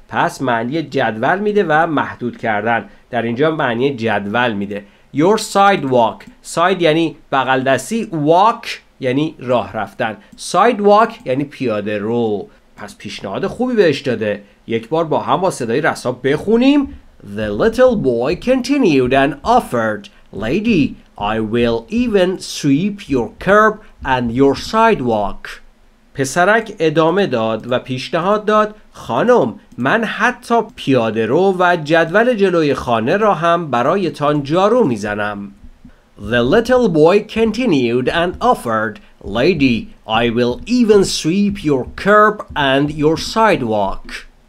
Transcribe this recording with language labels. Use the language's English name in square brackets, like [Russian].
[Persian] پس معنی جدول میده و محدود کردن. در اینجا معنی جدول میده. [English] Your sidewalk. [Persian] Side یعنی بغل دستی. Walk یعنی راه رفتن. Sidewalk یعنی پیاده رو. پس پیشنهاد خوبی بهش داده. یک بار با هم با صدای رسا بخونیم. [English] The little boy continued and offered, Lady, I will even sweep your curb and your sidewalk. [Persian] پسرک ادامه داد و پیشنهاد داد, خانم, من حتی پیاده رو و جدول جلوی خانه را هم برای تان جارو میزنم. [English] The little boy continued and offered, Lady, I will even sweep your curb and your sidewalk.